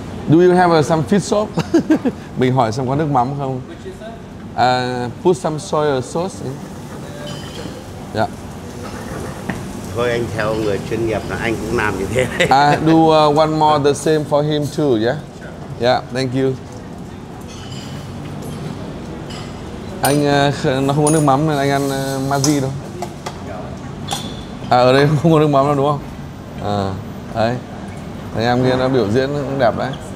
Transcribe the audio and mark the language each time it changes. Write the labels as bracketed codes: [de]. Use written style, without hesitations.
[en] Do you have some fish sauce? [vi] Mình hỏi xem có nước mắm không? [en] Put some soy sauce in. Yeah. [vi] Thôi anh theo người chuyên nghiệp là anh cũng làm như thế. [en] Do one more the same for him too, yeah? Sure. Yeah, thank you. [vi] Anh nó không có nước mắm nên anh ăn maggi thôi. À, ở đây không có nước mắm đâu đúng không? À, đấy. Thấy em kia nó biểu diễn cũng đẹp đấy.